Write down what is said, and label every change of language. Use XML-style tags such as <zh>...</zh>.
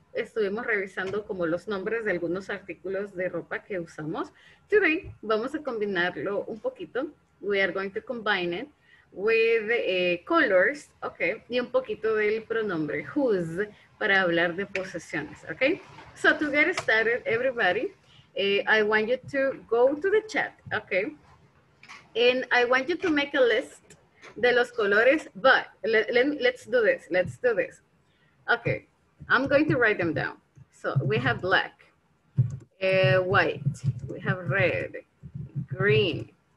<es>Estuvimos revisando como los nombres de algunos artículos de ropa que usamos. Today, vamos a combinarlo un poquito.</es> <en>We are going to combine it with colors, okay?</en> <es>Y un poquito del pronombre, whose, para hablar de posesiones, okay?</es> <en>So to get started, everybody, I want you to go to the chat, okay? And I want you to make a list</en> <es>de los colores,</es> <en>but let's do this, let's do this. Okay, I'm going to write them down. So we have black, white, we have red, green,</en>